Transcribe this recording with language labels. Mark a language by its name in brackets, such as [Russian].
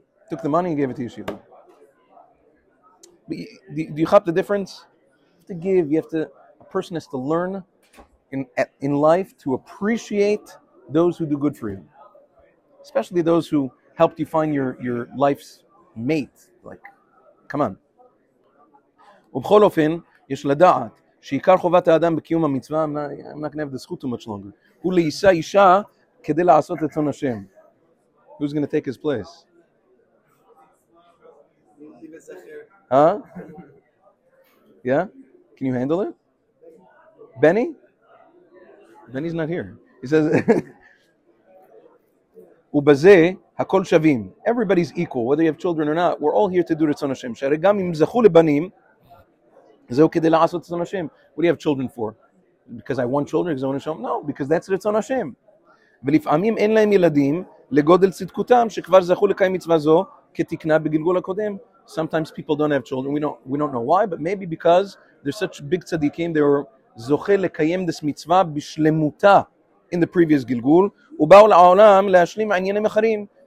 [English] Took the money and gave it to Yeshiva. But do you hop the difference? You have to give, a person has to learn in life to appreciate those who do good for you. Especially those who helped you find your life's mate. Like, come on. [Hebrew] ובכל אופן, יש לדעת שעיקר חובת האדם בקיום המצווה, [English] I'm not going to have the זכות too much longer. [Hebrew] הוא לישא אישה כדי לעשות את רצון השם. [English] Who's going to take his place? Huh? Yeah? Can you handle it? Benny? Benny's not here. He says, [Hebrew] ובזה, הכל שווים. [English] Everybody's equal, whether you have children or not. We're all here to do רצון השם. [Hebrew] שהרי גם אם זכו לבנים, זהו כדי לעשות רצון השם. [English] What do you have children for? Because I want children, because I want to show them? No, because that's רצון השם. [Hebrew] ולפעמים אין להם ילדים לגודל צדקותם, שכבר זכו לקיים מצווה זו כתקנה בגלגול הקודם. [English] Sometimes people don't have children. We don't know why, but maybe because they're such big צדיקים, they were זוכה לקיים this [Hebrew] מצווה בשלמותה [English] in the previous גלגול, [Hebrew] ובאו לעולם להשלים עניינים אחרים.